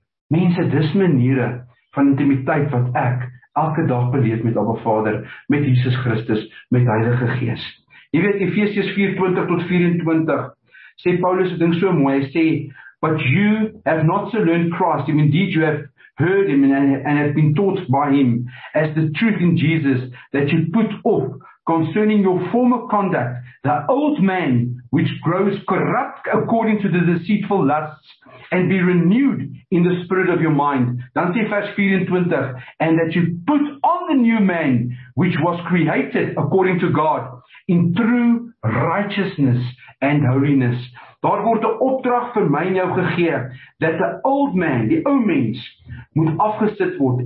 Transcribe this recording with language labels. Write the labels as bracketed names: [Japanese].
[Afrikaans] Mense, dis maniere van intimiteit wat ek elke dag beleef met Abba Vader, met Jesus Christus, met Heilige Gees. Jy weet, Efesiërs 4:20-24, sê Paulus het ding so mooi, hy sê, [English] but you have not so learned Christ, if indeed you have heard him and have been taught by him, as the truth in Jesus, that you put off concerning your former conduct, the old man which grows corrupt according to the deceitful lusts, and be renewed in the spirit of your mind. [Afrikaans] Dan sê vers 24, [English] and that you put on the new man which was created according to God in true righteousness and holiness. [Afrikaans] Daar word 'n opdrag vir my en jou gegee, dat [English] the old man, [Afrikaans] die ou mens, moet afgesit word.